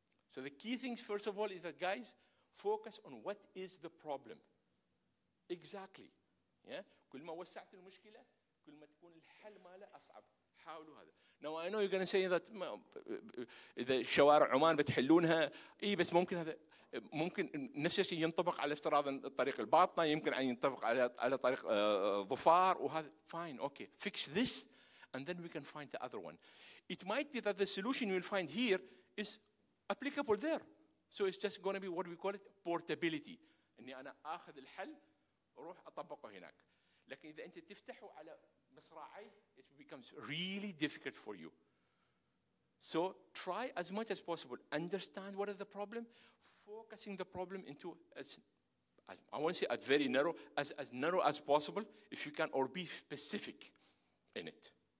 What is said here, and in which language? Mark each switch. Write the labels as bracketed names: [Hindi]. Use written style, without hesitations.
[English] So the key things, first of all, is that, guys, focus on what is the problem. Exactly. Yeah? [Arabic] كل ما وسعت المشكلة, كل ما تكون الحل ماله أصعب. حاولوا هذا. [English] Now I know you're going to say that [Arabic] إذا شوارع عمان بتحلونها, إيه بس ممكن هذا. ممكن نفس الشيء ينطبق على افتراض الطريق الباطنة, يمكن أن ينطبق على طريق ظفار وهذا. [English] Fine, okay, fix this and then we can find the other one. It might be that the solution you'll find here is applicable there. So it's just going to be what we call it portability. [Arabic] أني أنا أخذ الحل وروح أطبقه هناك. لكن إذا أنت تفتحه على مصراعي, [English] it becomes really difficult for you. So try as much as possible. Understand what is the problem. Focusing the problem into as I want to say at very narrow, as narrow as possible, if you can, or be specific in it.